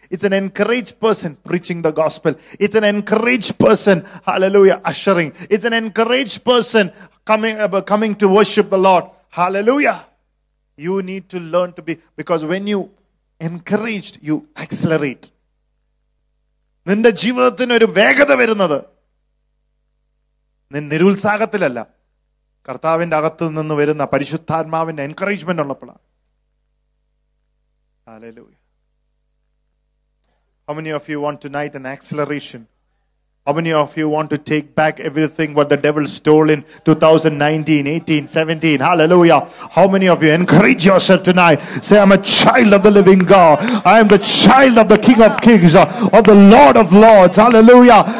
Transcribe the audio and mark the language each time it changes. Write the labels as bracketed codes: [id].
[en] It's an encouraged person preaching the gospel. It's an encouraged person, hallelujah, ushering. It's an encouraged person coming to worship the Lord. Hallelujah. You need to learn to be, because when you encouraged, you accelerate. [ml] നിന്റെ ജീവിതത്തിന് ഒരു വേഗത വരുന്നത് നിരുത്സാഹത്തിലല്ല, കർത്താവിന്റെ അകത്ത് നിന്ന് വരുന്ന പരിശുദ്ധാത്മാവിന്റെ encouragement ഉള്ളപ്പോഴാണ്. [en] Hallelujah. How many of you want tonight an acceleration? How many of you want to take back everything what the devil stole in 2019, 18, 17? Hallelujah. How many of you encourage yourself tonight? Say, I'm a child of the living God. I am the child of the King of Kings, of the Lord of Lords. Hallelujah.